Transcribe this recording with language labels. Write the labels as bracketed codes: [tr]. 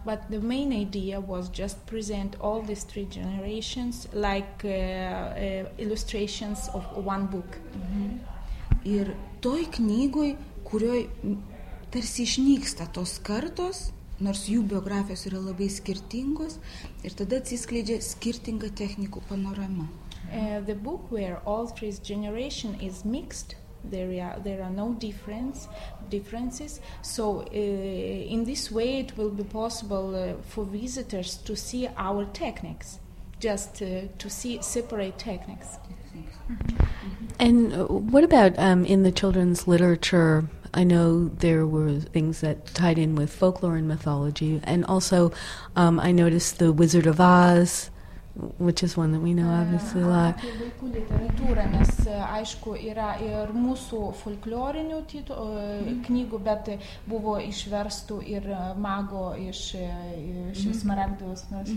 [en] That, but the main idea was just present all these three generations like illustrations of one book. Mm-hmm. [lt] Ir toj knygoj, kurioj tarsi išnyksta tos kartos, nors jų biografijos yra labai skirtingos, ir tada atsiskleidžia skirtinga technikų panorama. [en] The book where all three generation is mixed, there are no differences. So in this way it will be possible for visitors to see our techniques, just to see separate techniques. And what about in the children's literature? I know there were things that tied in with folklore and mythology, and also I noticed The Wizard of Oz, which is one that we know obviously a lot. [lt] Apie vaikų literatūrą, nes aišku yra ir mūsų folklorinių knygų, bet buvo išverstų ir mago iš smaragdos.